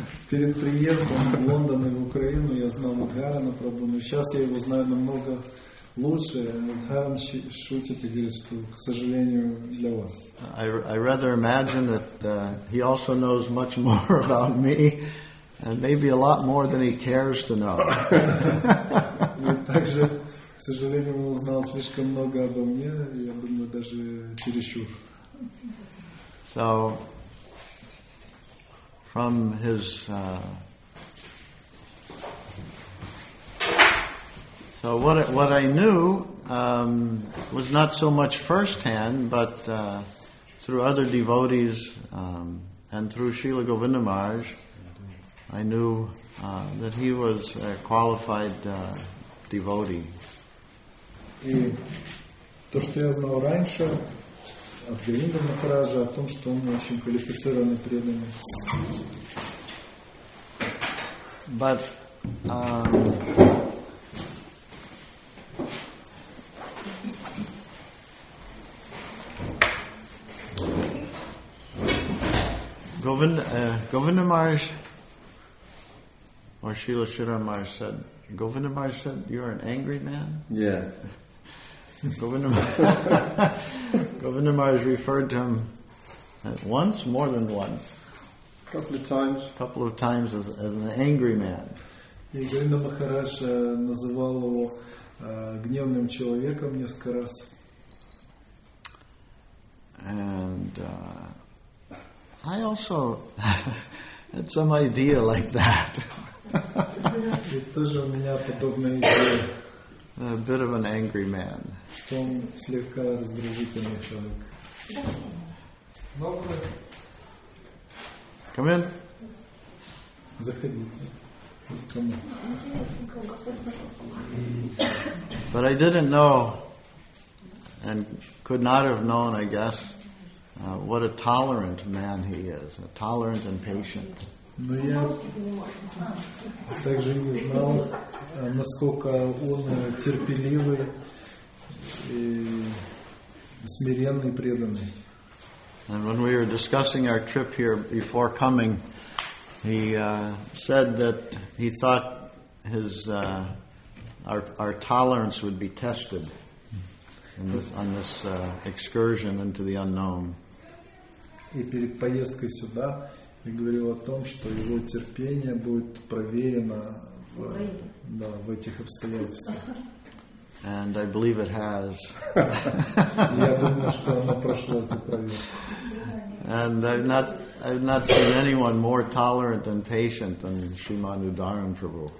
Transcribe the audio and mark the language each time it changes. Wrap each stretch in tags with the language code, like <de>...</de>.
<ru>Перед приездом в Лондон и в Украину я знал Мадхарана Прабу, но сейчас я его знаю намного лучше. Мадхаран шутит и говорит, что, к сожалению, для вас.</ru> <en>I rather imagine that he also knows much more about me, and maybe a lot more than he cares to know.</en> <ru>И также, к сожалению, он узнал слишком много обо мне, я думаю, даже чересчур.</ru> <en>So, from his so what I knew was not so much firsthand, but through other devotees and through Srila Govinda Maharaj, I knew that he was a qualified devotee.</en> <ru>И то, что я знал раньше от Говинда Махараджа, о том, что он очень квалифицированный преданный.</ru> <en>But Govinda Maharaj or Srila Sridhar Maharaj said, Govinda Maharaj said, you're an angry man? Yeah. Govinda Maharaj referred to him once, more than once. A couple of times as an angry man.</en> <ru>И Говинда Махарадж называл его гневным человеком несколько раз.</ru> <en>And I also had some idea like that.</en> <ru>И тоже у меня подобная идея.</ru> <en>A bit of an angry man.</en> <ru>Что он слегка раздражительный человек.</ru> <en>Come in.</en> <ru>Заходите.</ru> <en>Come in. But I didn't know, and could not have known, I guess, what a tolerant man he is, a tolerant and patient.</en> <ru>Но я также не знал, насколько он терпеливый и смиренный преданный.</ru> <en>And when we were discussing our trip here before coming, he said that he thought his our tolerance would be tested in this, on this excursion into the unknown.</en> <ru>И перед поездкой сюда я говорил о том, что его терпение будет проверено в, да, в этих обстоятельствах.</ru> <en>And I believe it has.</en> <ru>Я думаю, что оно прошло эту проверку.</ru> <en>And I've not seen anyone more tolerant and patient than Sriman Udharan Prabhu.</en>